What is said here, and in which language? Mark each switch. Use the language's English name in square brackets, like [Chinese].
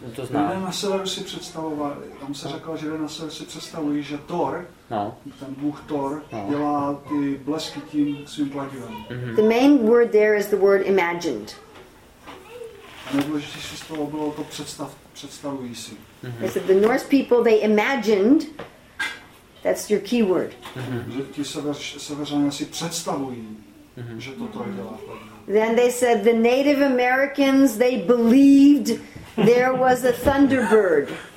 [Czech] Na Severu si představovali, tam se řekl, že na Severu si představují, že Thor, ten bůh Thor, dělá ty blesky tím svým kladivem. [English] The main word there is the word imagined. [Czech] A nejdůležitější slovo bylo to představují si. [English] They said the Norse people, they imagined, that's your key word. [Czech] Že ti Severané si představují, že to Thor dělá. [English] Then they said the Native Americans, they believed there was a thunderbird.